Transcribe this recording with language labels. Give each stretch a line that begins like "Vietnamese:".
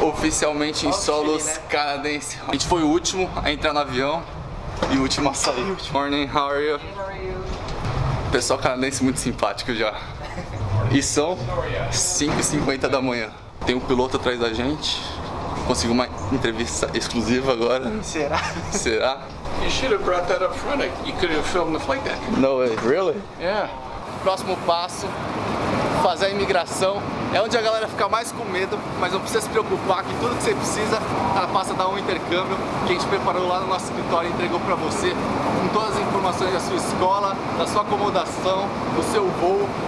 Portuguese: Oficialmente em solos, né? Canadense. A gente foi o último a entrar no avião e o último a sair.
English: Morning, how are you?
Portuguese: Pessoal canadense muito simpático já. E são 5:50 da manhã. Tem um piloto atrás da gente. Conseguiu uma entrevista exclusiva agora. Será? Será?
English: You should have brought that up front. You could have filmed the flight deck. No way. Really? Yeah.
Portuguese: Próximo passo, fazer a imigração. É onde a galera fica mais com medo, mas não precisa se preocupar que tudo que você precisa, ela passa a dar um intercâmbio que a gente preparou lá no nosso escritório e entregou pra você com todas as informações da sua escola, da sua acomodação, do seu voo.